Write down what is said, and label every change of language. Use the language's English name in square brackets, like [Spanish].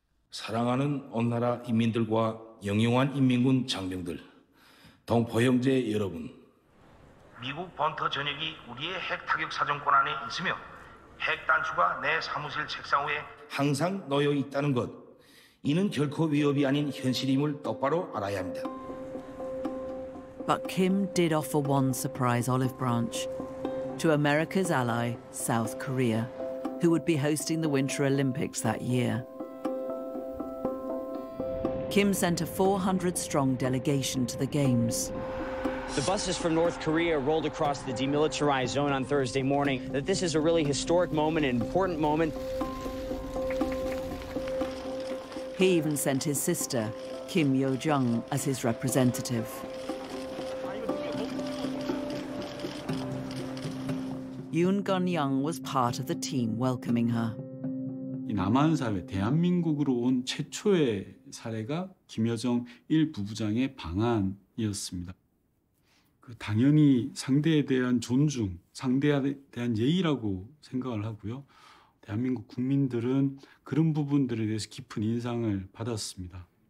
[Korean] 사랑하는 온 나라 인민들과 영용한 인민군 장병들, 동포 형제 여러분. 미국 번터 전역이 우리의 핵 타격 사정권 안에 있으며 핵 단추가 내 사무실 책상 위에 항상 놓여 있다는 것, 이는 결코 위협이 아닌 현실임을 똑바로 알아야 합니다. [English] But Kim did offer one surprise olive branch to America's ally, South Korea, who would be hosting the Winter Olympics that year. Kim sent a 400-strong delegation to the Games. The buses from North Korea rolled across the demilitarized zone on Thursday morning. That this is a really historic moment, an important moment. He even sent his sister, Kim Yo-jung, as his representative. Yoon Gun-young was part of the team welcoming her. [Korean] 이 남한 사회, 대한민국으로 온 최초의 사례가 김여정 일 부부장의 방한이었습니다. 그 당연히 상대에 대한 존중, 상대에 대한 예의라고 생각을 하고요. 대한민국 국민들은 그런 부분들에 대해서 깊은 인상을 받았습니다.